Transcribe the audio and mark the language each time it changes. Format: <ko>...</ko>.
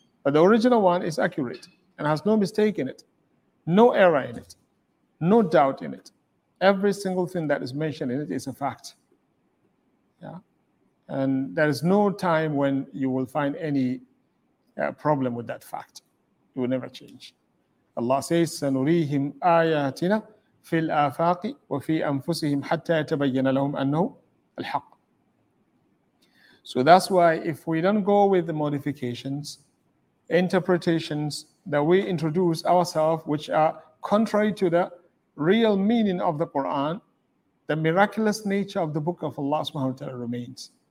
<en>But the original one is accurate and has no mistake in it, no error in it, no doubt in it. Every single thing that is mentioned in it is a fact. Yeah. And there is no time when you will find any problem with that fact. It will never change. Allah says,</en> <ar>سَنُرِيهِمْ آيَاتِنَا فِي الْآفَاقِ وَفِي أَنفُسِهِمْ حَتَّى يَتَبَيَّنَ لَهُمْ أَنَّهُ الْحَقِّ.</ar> <en>So that's why if we don't go with the modifications, interpretations that we introduce ourselves, which are contrary to the real meaning of the Quran, the miraculous nature of the book of Allah subhanahu wa ta'ala remains.</en>